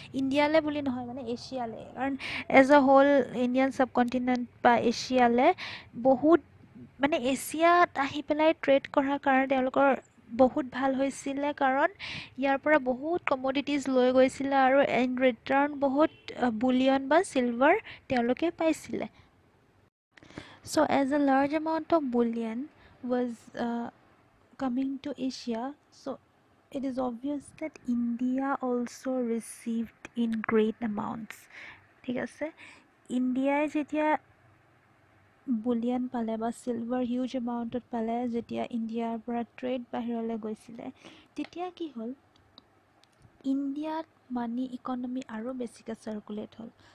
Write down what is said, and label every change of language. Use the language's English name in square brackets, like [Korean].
[Assamese] ইণ্ডিয়ালৈ বুলি নহয় মানে এছিয়ালৈ, কাৰণ এজ এ হ'ল ইণ্ডিয়ান চাব কণ্টিনেণ্ট বা এছিয়ালৈ বহুত, মানে এছিয়াত আহি পেলাই ট্ৰেড কৰাৰ কাৰণে তেওঁলোকৰ বহুত ভাল হৈছিলে, কাৰণ ইয়াৰ পৰা বহুত কমোডিটিজ লৈ গৈছিলে আৰু ইন ৰিটাৰ্ণ বহুত বুলিয়ন বা চিলভাৰ তেওঁলোকে পাইছিলে। [English] So as a large amount of bullion was coming to Asia, so it is obvious that India also received in great amounts. [Assamese] ঠিক আছে, ইণ্ডিয়াই যেতিয়া বুলিয়ন পালে বা চিলভাৰ হিউজ এমাউণ্টত পালে, যেতিয়া ইণ্ডিয়াৰ পৰা ট্ৰেড বাহিৰলৈ গৈছিলে, তেতিয়া কি হ'ল, ইণ্ডিয়াত মানি ইকনমি আৰু বেছিকৈ চাৰ্কুলেট হ'ল।